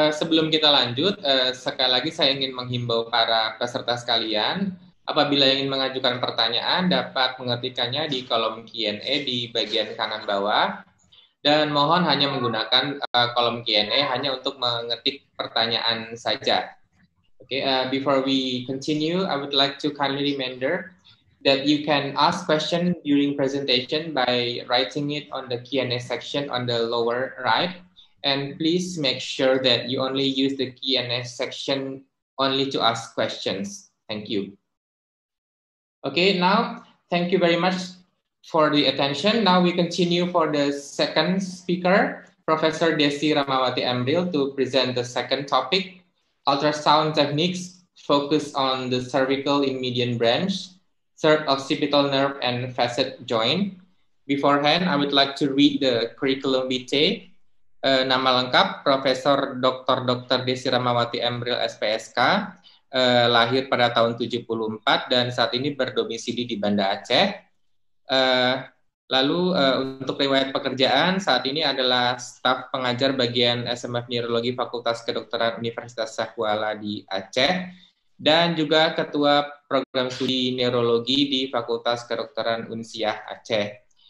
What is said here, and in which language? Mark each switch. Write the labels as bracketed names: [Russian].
[Indonesian] Sebelum kita lanjut, sekali lagi saya ingin menghimbau para peserta sekalian, apabila ingin mengajukan pertanyaan dapat mengetikkannya di kolom Q&A di bagian kanan bawah. Dan mohon hanya menggunakan kolom Q&A hanya untuk mengetik pertanyaan saja. [English] Okay, before we continue, I would like to kindly reminder that you can ask question during presentation by writing it on the Q&A section on the lower right. And please make sure that you only use the Q&A section only to ask questions. Thank you. Okay, now, thank you very much for the attention. Now we continue for the second speaker, Professor Desi Ramawati Amril, to present the second topic. Ultrasound techniques focus on the cervical in median branch, third occipital nerve and facet joint. Beforehand, I would like to read the curriculum vitae. [Indonesian] Nama lengkap, Profesor Dr. Dr. Desi Ramawati Amril, SPSK, lahir pada tahun 74 dan saat ini berdomisili di Banda Aceh. Lalu untuk riwayat pekerjaan saat ini adalah staf pengajar bagian SMF Neurologi Fakultas Kedokteran Universitas Sahwala di Aceh dan juga ketua program studi neurologi di Fakultas Kedokteran Unsiah Aceh.